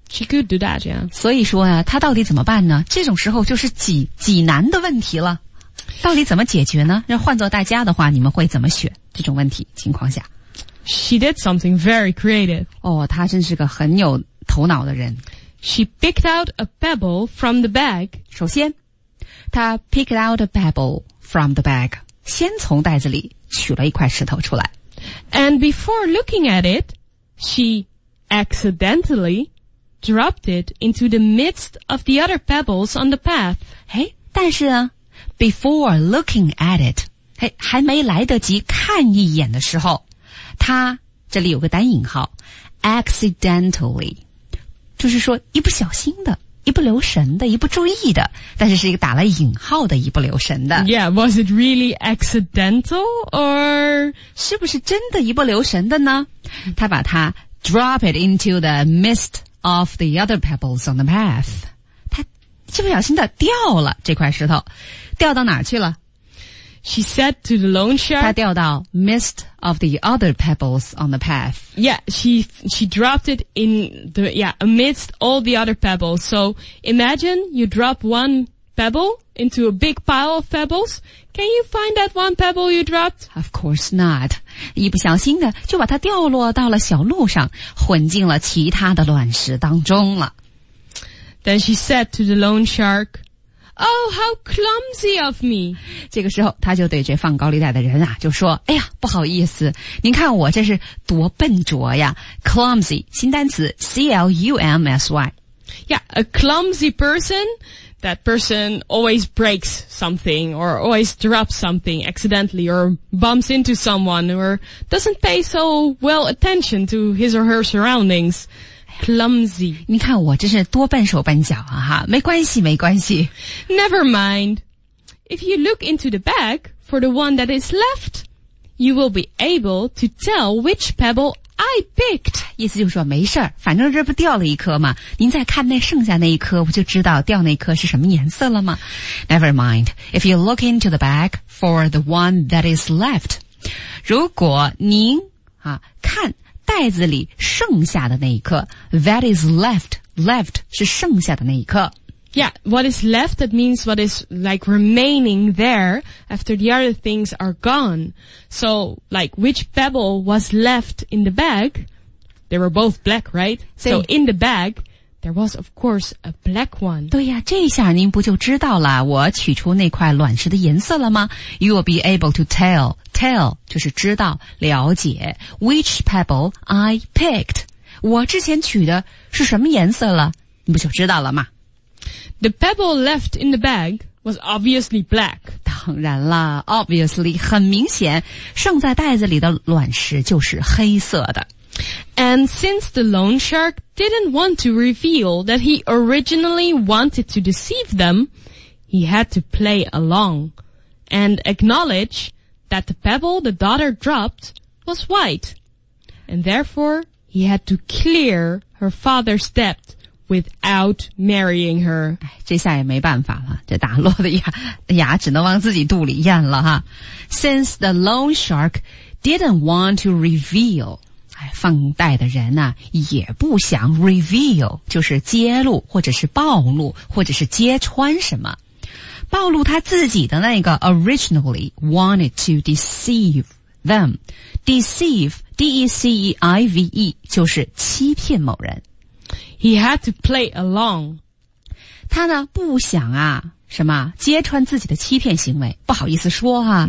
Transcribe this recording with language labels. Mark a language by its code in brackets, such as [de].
[en] She could do that, yeah. [zh] 所以说啊，她到底怎么办呢？这种时候就是济难的问题了。到底怎么解决呢？要换做大家的话，你们会怎么选这种问题情况下？ [en] She did something very creative. [zh] 哦，她真是个很有头脑的人。 [en] She picked out a pebble from the bag. [zh] 首先，她 [en] picked out a pebble from the bag. [zh] 先从袋子里取了一块石头出来。 [en] And before looking at it, she accidentally dropped it into the midst of the other pebbles on the path. [zh] 嘿，但是呢？ [en] Before looking at it, [zh] 还没来得及看一眼的时候，他这里有个单引号 ,accidentally, 就是说一不小心的，一不留神的，一不注意的，但是是一个打了引号的一不留神的。 [en] Yeah, was it really accidental or? [zh] 是不是真的一不留神的呢？他把它 [en] drop it into the midst of the other pebbles on the path. [zh] 一不小心的掉了这块石头，掉到哪儿去了？ [en] She said to the loan shark. [zh] 她掉到 [en] midst of the other pebbles on the path. Yeah, she dropped it in the, yeah, amidst all the other pebbles. So imagine you drop one pebble into a big pile of pebbles. Can you find that one pebble you dropped? Of course not. [zh] 一不小心的就把它掉落到了小路上，混进了其他的乱石当中了。 [en] Then she said to the loan shark, Oh, how clumsy of me. [zh] 这个时候他就对这放高利贷的人啊就说哎呀不好意思您看我这是多笨拙呀 Clumsy, 新单词 C-L-U-M-S-Y. [en] Yeah, a clumsy person, that person always breaks something or always drops something accidentally or bumps into someone or doesn't pay so well attention to his or her surroundings. Clumsy. [zh] 你看我真是多笨手笨脚啊哈没关系没关系。 [en] Never mind. If you look into the bag for the one that is left, you will be able to tell which pebble I picked. [zh] 意思就是说没事反正这不掉了一颗嘛您再看那剩下那一颗我就知道掉那颗是什么颜色了吗 [en] Never mind. If you look into the bag for the one that is left, [zh] 如果您啊看袋子里剩下的那一颗 [en] that is left, left [zh] 是剩下的那一颗。 [en] Yeah, what is left, that means what is like remaining there after the other things are gone. So, like, which pebble was left in the bag? They were both black, right? So, in the bag, there was of course a black one. [zh] 对呀、啊、这一下您不就知道了我取出那块卵石的颜色了吗 ? [en] You will be able to tell. [zh] Tell 就是知道了解 [en] which pebble I picked [zh] 我之前取的是什么颜色了你不就知道了吗 [en] The pebble left in the bag was obviously black [zh] 当然啦 obviously 很明显剩在袋子里的卵石就是黑色的 [en] And since the loan shark didn't want to reveal that he originally wanted to deceive them he had to play along and acknowledgeThat the pebble the daughter dropped was white, and therefore he had to clear her father's debt without marrying her. [zh] 这下也没办法了，这打落的牙只能往自己肚里咽了哈。 [en] Since the loan shark didn't want to reveal, [zh] 放贷的人呢、啊、也不想 reveal, 就是揭露或者是暴露或者是揭穿什么。暴露他自己的那个 [en] originally wanted to deceive them. [zh] Deceive, D-E-C-E-I-V-E, 就是欺骗某人。 [en] He had to play along. [zh] 他呢不想啊什么揭穿自己的欺骗行为不好意思说啊。